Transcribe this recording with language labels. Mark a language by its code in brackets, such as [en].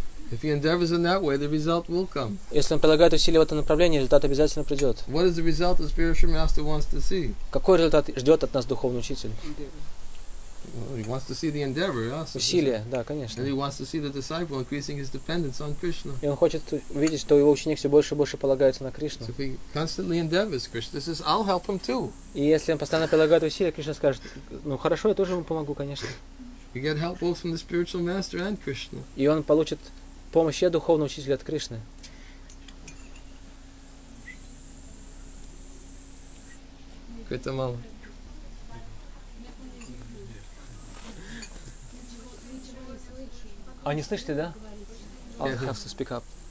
[en] If he endeavors in that way, the result will come. [ru] Если он прилагает усилия в этом направлении, результат обязательно придет. [en] What is the result the spiritual master wants to see? [ru] Какой результат ждет от нас духовный учитель? [en] Well, he wants to see the endeavor, yes. [ru] Усилия, да, конечно. [en] And he wants to see the disciple increasing his dependence on Krishna. [ru] И он хочет видеть, что его ученик все больше и больше полагается на Кришну. [en] So if he constantly endeavors, Krishna says, "I'll help him too." [ru] И если он постоянно прилагает усилия, Кришна скажет, ну хорошо, я тоже ему помогу, конечно. [en] He gets help both from the spiritual master and Krishna. [ru] И он получит помощь я духовного учителя от Кришны. Это мало. А не слышите, да? [en] I'll have to speak up.